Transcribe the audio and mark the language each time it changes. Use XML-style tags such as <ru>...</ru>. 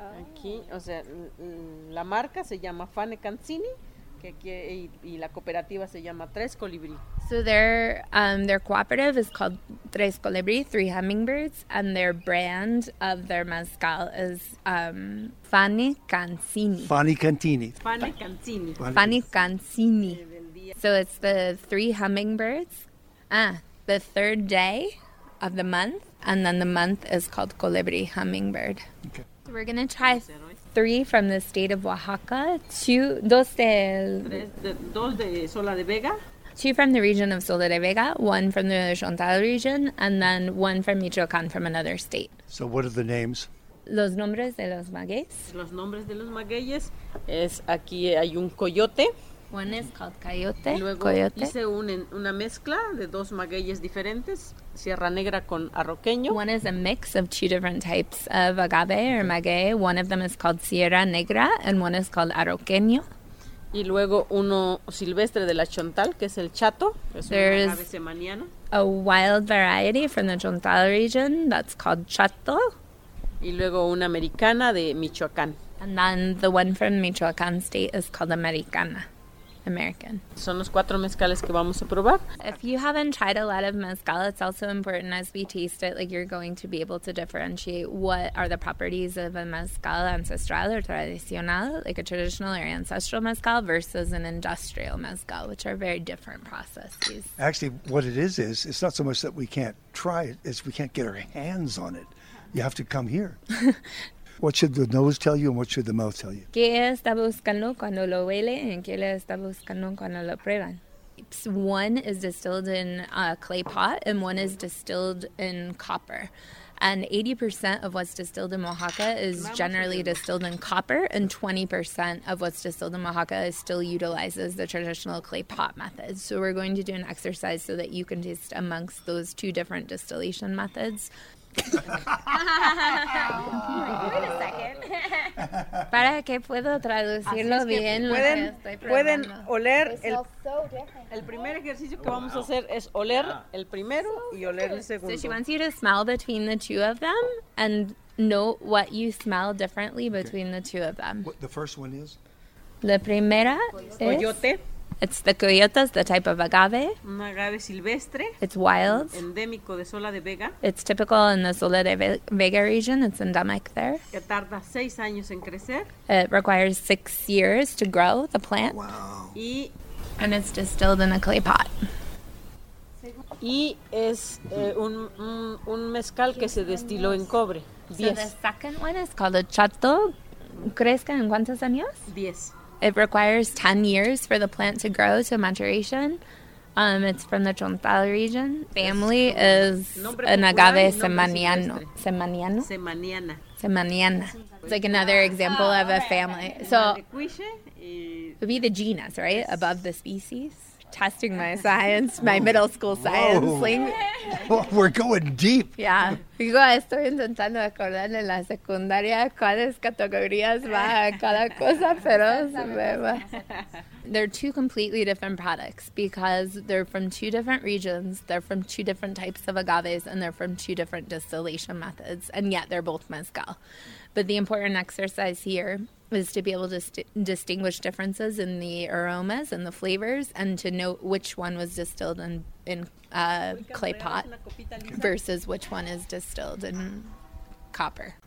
<es>Aquí, o sea, la marca se llama Fane Cancini, y la cooperativa se llama Tres Colibrí.</es> <en>So their cooperative is called Tres Colibrí, Three Hummingbirds, and their brand of their mezcal is Fane Cancini. Fane Cancini. Fane Cancini. Fane Cancini. So it's the Three Hummingbirds. Ah, the third day of the month, and then the month is called Colibrí Hummingbird. Okay. We're going to try three from the state of Oaxaca, two from the region of Sola de Vega, one from the Chontal region, and then one from Michoacán from another state. So what are the names?</en> <es>Los nombres de los magueyes. Los nombres de los magueyes es aquí hay un coyote.</es> <en>One is called Coyote.</en> <es>Luego</es> <en>Coyote.</en> <es>Hice una mezcla de dos magueyes diferentes, Sierra Negra con Arroqueño.</es> <en>One is a mix of two different types of agave or maguey. One of them is called Sierra Negra and one is called Arroqueño.</en> <es>Y luego uno silvestre de la Chontal, que es el Chato.</es> <en>There's a wild variety from the Chontal region that's called Chato.</en> <es>Y luego una americana de Michoacán.</es> <en>And then the one from Michoacán state is called Americana. American.</en> <es>Son los cuatro mezcales que vamos a probar.</es> <en>If you haven't tried a lot of mezcal, it's also important as we taste it, like you're going to be able to differentiate what are the properties of a mezcal ancestral or tradicional, like a traditional or ancestral mezcal, versus an industrial mezcal, which are very different processes. Actually, what it is it's not so much that we can't try it, it's we can't get our hands on it. You have to come here. What should the nose tell you and what should the mouth tell you?</en> <es>¿Qué está buscando cuando lo huele y qué le está buscando cuando lo prueban?</es> <en>One is distilled in a clay pot and one is distilled in copper. And 80% of what's distilled in Oaxaca is generally distilled in copper, and 20% of what's distilled in Oaxaca still utilizes the traditional clay pot method. So we're going to do an exercise so that you can taste amongst those two different distillation methods.</en> <es>Para que puedo traducirlo bien, pueden oler el primer ejercicio que vamos a hacer es oler el primero y oler el segundo.</es> <en>So she wants you to smell between the two of them and note what you smell differently between the two of them. What the first one is?</en> <es>La primera es coyote.</es> <en>It's the coyotas, the type of agave.</en> <es>Un agave silvestre.</es> <en>It's wild.</en> <es>Endémico de Sola de Vega.</es> <en>It's typical in the Sola de Vega region. It's endemic there.</en> <es>Que tarda 6 años en crecer.</es> <en>It requires 6 years to grow the plant. Wow. And it's distilled in a clay pot.</en> <es>Y es un mezcal que se destiló en cobre. Diez.</es> <en>So the second one is called a chato.</en> <es>¿Crezca en cuántos años? 10.</es> <en>It requires 10 years for the plant to grow to maturation. It's from the Chontal region. Family is an agave semaniano. Semaniana. It's like another example of a family. So it would be the genus, right? Above the species. Testing my science, my middle school science. We're going deep. Yeah.</en> <es>Digo, estoy intentando acordar en la secundaria cuáles categorías va a cada cosa, pero se me va.</es> <en>They're two completely different products because they're from two different regions, they're from two different types of agaves, and they're from two different distillation methods, and yet they're both mezcal. But the important exercise here is to be able to distinguish differences in the aromas and the flavors and to know which one was distilled in a clay pot versus which one is distilled in copper.</en>